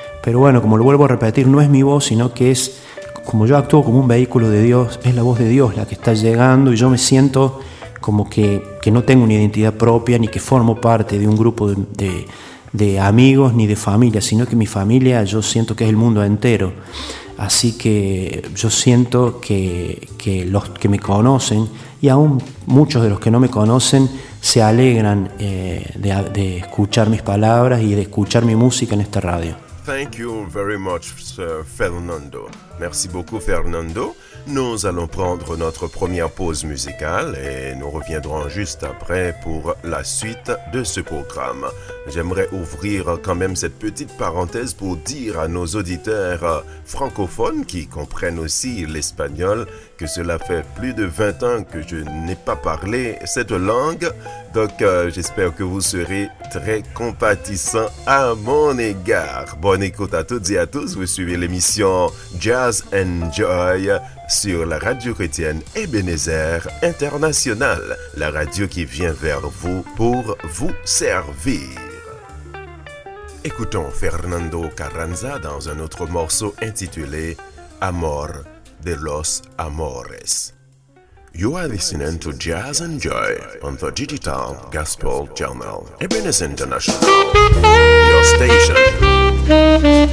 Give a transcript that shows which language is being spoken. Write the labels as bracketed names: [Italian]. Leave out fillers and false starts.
[Spanish] Pero bueno, como lo vuelvo a repetir, no es mi voz, sino que es, como yo actúo como un vehículo de Dios, es la voz de Dios la que está llegando, y yo me siento como que no tengo una identidad propia, ni que formo parte de un grupo de amigos ni de familia, sino que mi familia, yo siento que es el mundo entero. Así que yo siento que los que me conocen, y aún muchos de los que no me conocen, se alegran de escuchar mis palabras y de escuchar mi música en esta radio. [English] Thank you very much, Sir Fernando. [French] Merci beaucoup, [English] Fernando. [French] Nous allons prendre notre première pause musicale et nous reviendrons juste après pour la suite de ce programme. J'aimerais ouvrir quand même cette petite parenthèse pour dire à nos auditeurs francophones qui comprennent aussi l'espagnol que cela fait plus de 20 ans que je n'ai pas parlé cette langue. Donc j'espère que vous serez très compatissants à mon égard. Bonne écoute à toutes et à tous. Vous suivez l'émission Jazz and Joy sur la radio chrétienne Ebenezer International, la radio qui vient vers vous pour vous servir. Écoutons Fernando Carranza dans un autre morceau intitulé Amor de los Amores. [English] You are listening to Jazz and Joy on the Digital Gospel Channel, Ebenezer International, your station.